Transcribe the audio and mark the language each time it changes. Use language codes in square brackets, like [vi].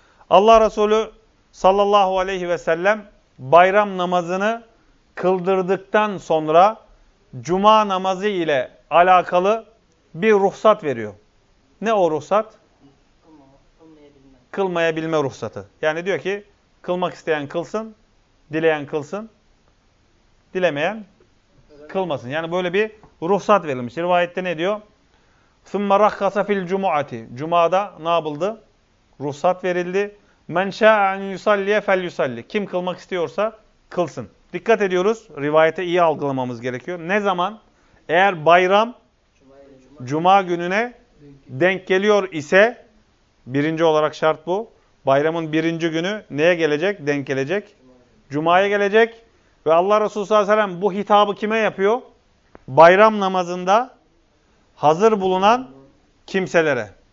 [tr] Allah Resulü sallallahu aleyhi ve sellem bayram namazını kıldırdıktan sonra cuma namazı ile alakalı bir ruhsat veriyor. Ne o ruhsat? Kılmayabilme ruhsatı. Yani diyor ki kılmak isteyen kılsın, dileyen kılsın, dilemeyen kılmasın. Yani böyle bir ruhsat verilmiş. Rivayette ne diyor? [ar] ثُمَّ رَخَّصَ فِي الْجُمُعَةِ [tr] Cuma'da ne yapıldı? Ruhsat verildi. [ar] مَنْ شَاءَ اَنْ يُسَلِّيَ فَلْيُسَلِّ [tr] Kim kılmak istiyorsa kılsın. Dikkat ediyoruz. Rivayete iyi algılamamız gerekiyor. Ne zaman? Eğer bayram cuma gününe denk geliyor ise birinci olarak şart bu. Bayramın birinci günü neye gelecek? Denk gelecek. Cuma'ya gelecek. Ve Allah Resulü sallallahu aleyhi ve sellem bu hitabı kime yapıyor? Bayram namazında hazır bulunan kimselere.